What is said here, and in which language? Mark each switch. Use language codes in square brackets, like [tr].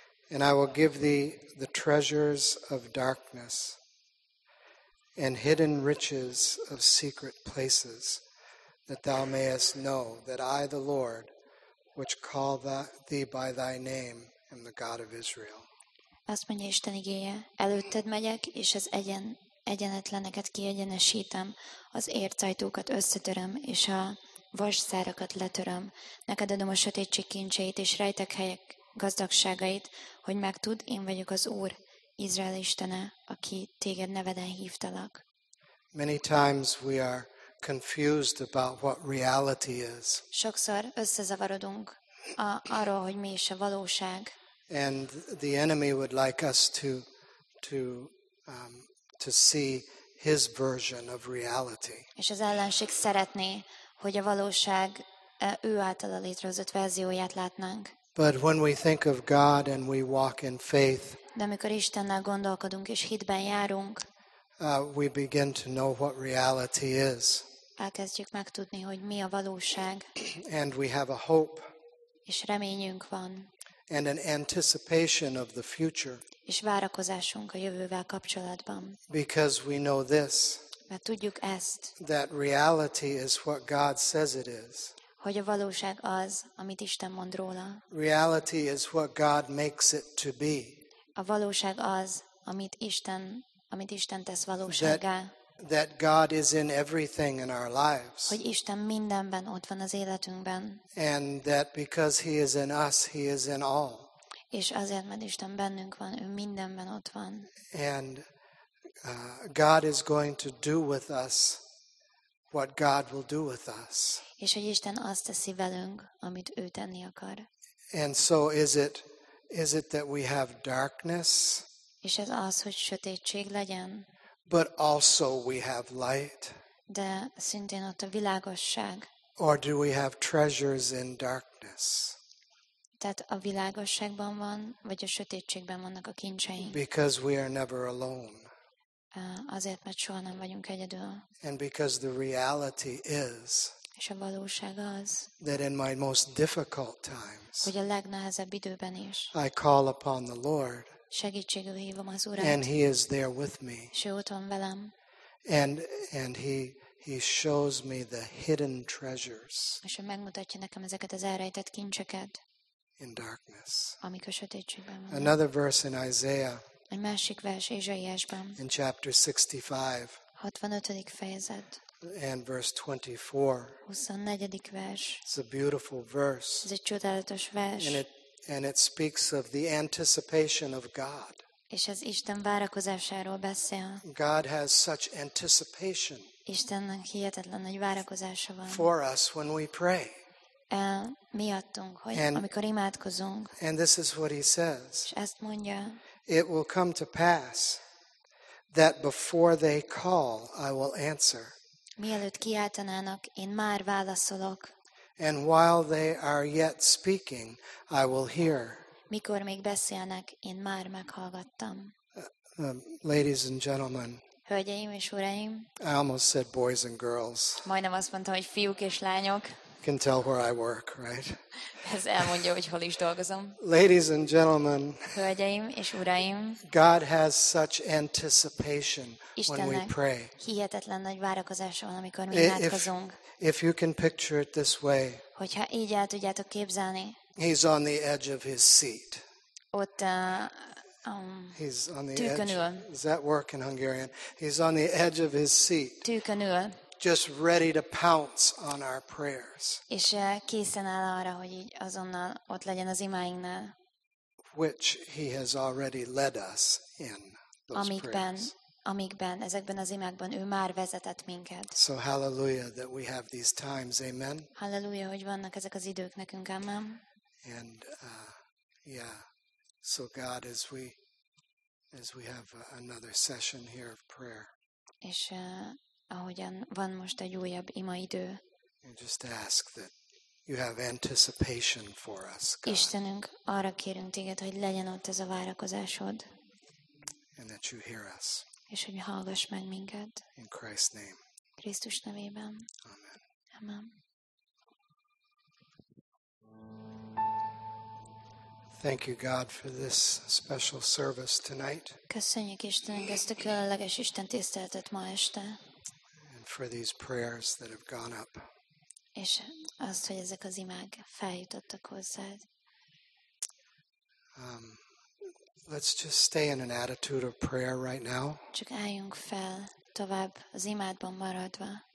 [en] And I will give thee the treasures of darkness and hidden riches of secret places, that thou mayest know that I, the Lord, which call thee by thy name, am the God of Israel. [hu] Azt mondja Isten igéje, előtted megyek, és az egyenetleneket kiegyenesítem, az ércajtókat összetöröm, és a vasszárakat letöröm. Neked adom a sötétség kincseit, és rejtek helyek gazdagságait, hogy megtudd, én vagyok az Úr, Izrael Istene, aki téged neveden hívtalak. [en] Many times we are confused about what reality is. [hu] Sokszor összezavarodunk arról, hogy mi is a valóság. [en] And the enemy would like us to see his version of reality. [hu] És az ellenség szeretné, hogy a valóság ő általa létrehozott verzióját látnánk. [en] But when we think of God and we walk in faith, [hu] de amikor Istennel gondolkodunk és hitben járunk, [en] we begin to know what reality is. [hu] Elkezdjük megtudni, hogy mi a valóság. [en] And we have a hope. [hu] És reményünk van. [en] and an anticipation of the future. [hu] És várakozásunk a jövővel kapcsolatban. [en] Because we know this. [hu] Mert tudjuk ezt. [en] That reality is what God says it is. [hu] Hogy a valóság az, amit Isten mond róla. [en] Reality is what God makes it to be. [hu] A valóság az, amit Isten tesz valósággá. [en] That God is in everything in our lives. [hu] Hogy Isten mindenben ott van az életünkben. [en] And that because he is in us, he is in all. [hu] És azért, mert Isten bennünk van, ő mindenben ott van. [en] And God is going to do with us what God will do with us. [hu] És hogy Isten azt teszi velünk, amit ő tenni akar. [en] And so is it that we have darkness? [hu] És ez az, hogy sötétség legyen. [en] But also we have light. [hu] De szintén ott a világosság. [en] Or do we have treasures in darkness? [hu] Tehát a világosságban van, vagy a sötétségben vannak a kincseink. [en] Because we are never alone. [hu] Azért, mert soha nem vagyunk egyedül. [en] And because the reality is. [hu] És a valóság az. [en] That in my most difficult times. [hu] Hogy a legnehezebb időben is. [en] I call upon the Lord. [hu] Segítségül hívom az Urat. [en] And he is there with me. [hu] És ő ott van velem. [en] And he shows me the hidden treasures. [hu] És ő megmutatja nekem ezeket az elrejtett kincseket. [en] In darkness. [hu] Amik a sötétségben vannak. [en] Another verse in Isaiah. [hu] Egy másik vers Ézsaiásban. [en] In chapter 65. [hu] 65. fejezet. [en] And verse 24. [hu] 24. vers. [en] It's a beautiful verse. [hu] Ez egy csodálatos vers. [en] And it speaks of the anticipation of God. [hu] És ez Isten várakozásáról beszél. [en] God has such anticipation. [hu] Istennek hihetetlen nagy várakozása van. [en] For us when we pray. [hu] Miattunk, hogy amikor imádkozunk. [en] And this is what he says. [hu] És ezt mondja. [en] It will come to pass that before they call, I will answer. [hu] Mielőtt kiáltanának, én már válaszolok. [en] And while they are yet speaking, I will hear. [hu] Mikor még beszélnek, én már meghallgattam. [en] Ladies and gentlemen. [hu] Hölgyeim és uraim. [en] I almost said boys and girls. [hu] Majdnem azt mondtam, hogy fiúk és lányok. [en] Can tell where I work, right? [hu] Ez elmondja, hogy hol is dolgozom. [en] Ladies and gentlemen. [hu] Hölgyeim és uraim. [en] God has such anticipation when we pray. [hu] Istennek hihetetlen nagy várakozása van, amikor mi imádkozunk. [en] If you can picture it this way. [hu] Hogyha így el tudjátok képzelni. [en] He's on the edge of his seat. [hu] Ott [en] he's on the edge. Is that work in Hungarian? He's on the edge of his seat. [hu] Tűkönül. [en] Just ready to pounce on our prayers. [hu] És készen áll arra, hogy így azonnal ott legyen az imáinknál. [en] Which he has already led us in those [hu] amikben, [en] prayers. [hu] Amikben, ezekben az imákban ő már vezetett minket. [en] So hallelujah that we have these times, amen. [hu] Hallelujah, hogy vannak ezek az idők nekünk, amen. [en] And yeah, so God, as we have another session here of prayer. [hu] És ahogyan van most egy újabb ima idő. [en] You just ask that you have anticipation for us, God. [hu] Istenünk, arra kérünk téged, hogy legyen ott ez a várakozásod. [en] And that you hear us. [hu] És hogy hallgass meg minket. [en] In Christ's name. [hu] Krisztus nevében. [en] Amen. [hu] Amen. [en] Thank you, God, for this special service tonight. [hu] Köszönjük Istenünk ezt a különleges Isten tiszteletet ma este. [en] And for these prayers that have gone up. [hu] És azt, hogy ezek az imák feljutottak hozzád. [en] Let's just stay in an attitude of prayer right now. [hu] Csak álljunk fel, tovább az imádban maradva.